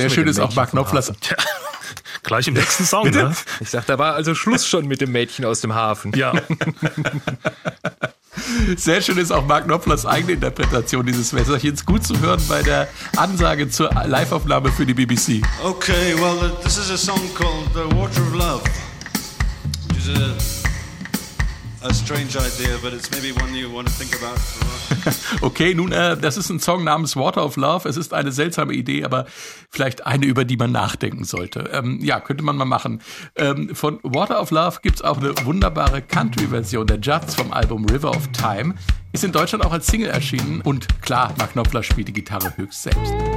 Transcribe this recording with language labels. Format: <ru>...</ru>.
<de>Sehr schön ist auch Mark Knopflers. Ja. Gleich im nächsten Song. Ne? Ich sag, da war also Schluss schon mit dem Mädchen aus dem Hafen. Ja. Sehr schön ist auch Mark Knopflers eigene Interpretation dieses Wässerchens. Gut zu hören bei der Ansage zur Liveaufnahme für die BBC.</de> <en>Okay, well, this is a song called The Water of Love. A strange idea, but it's maybe one you want to think about.</en> <de>Okay, nun, das ist ein Song namens Water of Love. Es ist eine seltsame Idee, aber vielleicht eine, über die man nachdenken sollte. Ja, könnte man mal machen. Von Water of Love gibt es auch eine wunderbare Country-Version der Judds vom Album River of Time. Ist in Deutschland auch als Single erschienen. Und klar, Mark Knopfler spielt die Gitarre höchst selbst.</de>